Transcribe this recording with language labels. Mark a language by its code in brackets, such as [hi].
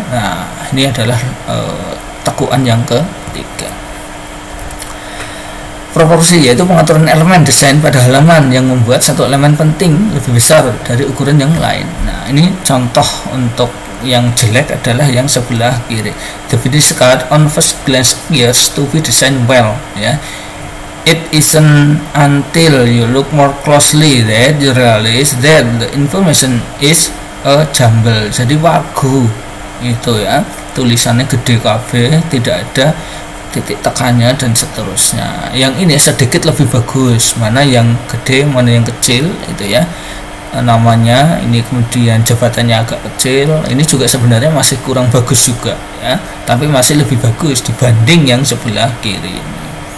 [id] Nah, ini adalah tekukan yang ketiga. Proporsi yaitu pengaturan elemen desain pada halaman yang membuat satu elemen penting lebih besar dari ukuran yang lain. Nah, ini contoh untuk yang jelek adalah yang sebelah kiri. [en] The finish card on first glance appears to be designed well. [id] Ya. [en] It isn't until you look more closely that you realize that the information is a jumble. [id] Jadi wagu itu ya, tulisannya [jv] gede kabeh, [id] tidak ada titik tekannya dan seterusnya. Yang ini sedikit lebih bagus, mana yang gede, mana yang kecil itu ya. Namanya ini kemudian jabatannya agak kecil, ini juga sebenarnya masih kurang bagus juga ya, tapi masih lebih bagus dibanding yang sebelah kiri ini.